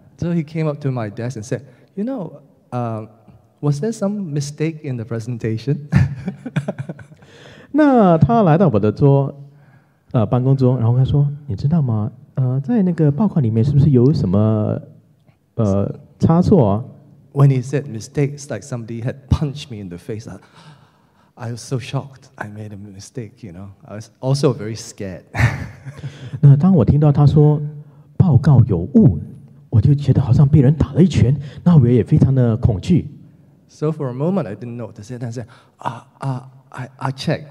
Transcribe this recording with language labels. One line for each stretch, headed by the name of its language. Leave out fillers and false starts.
English: So he came up to my desk and said, you know, was there some mistake in the presentation?
Chinese: 那他来到我的桌，办公桌，然后他说，你知道吗？在那个报告里面是不是有什么差错啊？
English: When he said mistake, it's like somebody had punched me in the face. I was so shocked. I made a mistake, you know. I was also very scared.
Chinese: 那当我听到他说报告有误，我就觉得好像被人打了一拳，那我也非常的恐惧。
English: So for a moment, I didn't know what to say. Then I said, I check.